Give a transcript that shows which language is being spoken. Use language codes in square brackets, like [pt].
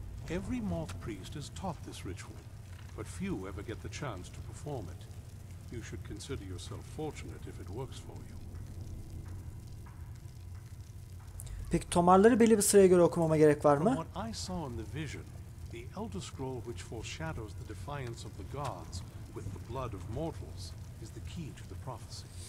[en] Every moth priest is taught this ritual, but few ever get the chance to perform it. You should consider yourself fortunate if it works for you. [tr] Peki tomarları belli bir sıraya göre okumama gerek var mı? [en] From what I saw in the vision, the Elder Scroll which foreshadows the defiance of the gods with the blood of mortals is the key to the prophecy.